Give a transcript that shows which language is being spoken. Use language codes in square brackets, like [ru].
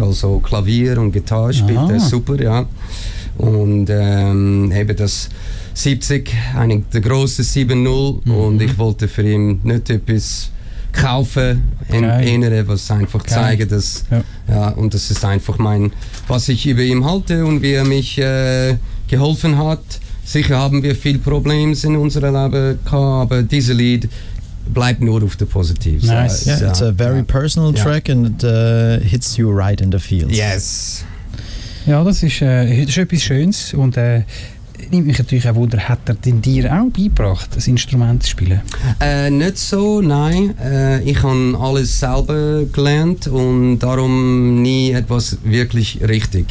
[de] Also Klavier und Gitarre spielt er super, ja. Und eben das 70, der große 7-0 und ich wollte für ihn nicht etwas kaufen, erinnere, was einfach zeigen, dass ja, und das ist einfach was ich über ihm halte und wie er mich geholfen hat. Sicher haben wir viel Probleme in unserem Leben gehabt, aber dieses Lied bleibt nur auf der positiven Seite. Nice. [en] Yeah, it's a very personal track and it hits you right in the feels. Yes. [de] Ja, das ist etwas Schönes und nimmt mich natürlich auch wunder, hat er denn dir auch beigebracht, das Instrument zu spielen? Nicht so, nein. Ich habe alles selber gelernt und darum nie etwas wirklich richtig.